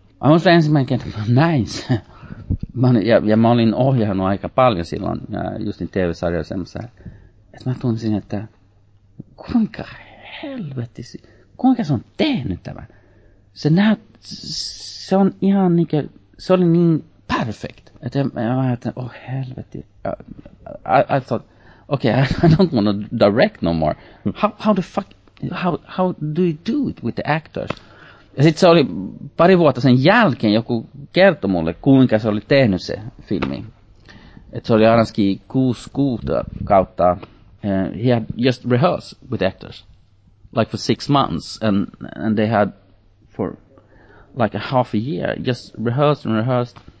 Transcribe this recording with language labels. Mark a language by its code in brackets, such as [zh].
[fi] Mä olin se ensimmäinen kerta, mä näin se. Mä olin ohjannut aika paljon silloin, justin TV-sarjoja semmoisessa että mä tunsin, että kuinka helvetti, kuinka se on tehnyt tämän? Se näyt, se on ihan niin kuin, se oli niin perfect. Että mä ajattelin, oh helvetti. [en] I thought, okay, I don't want to direct no more. How the fuck, how do you do it with the actors? [fi] Ja sitten se oli pari vuotta sen jälkeen joku kertoi mulle, kuinka se oli tehnyt se filmi. Että se oli ainakin 6 kuuta kautta. [en] He had just rehearsed with actors, like for 6 months. And they had for like a half a year, just rehearsed and rehearsed.